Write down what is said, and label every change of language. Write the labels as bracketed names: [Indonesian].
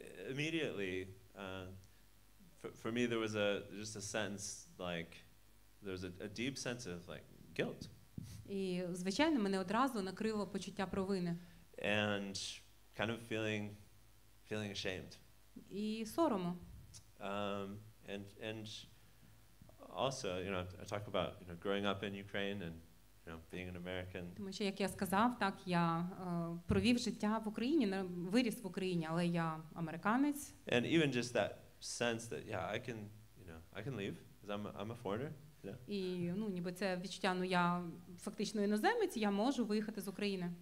[English] Immediately for me there was just a sense like there was a deep sense of like guilt. [Ukrainian] І звичайно, мене одразу накрило почуття провини. [English] And kind of feeling ashamed. [Ukrainian] І сорому. [English] And also, you know, I talk about, you know, growing up in Ukraine and, you know, being an American. [Ukrainian] Тому що, як я сказав, так, я провів життя в Україні, виріс в Україні, але я американець. [English] And even just that sense that, yeah, I can, you know, I can leave, because I'm a foreigner. Yeah. [Ukrainian] І, ну, ніби це відчуття, ну, я фактично іноземець, я можу виїхати з України.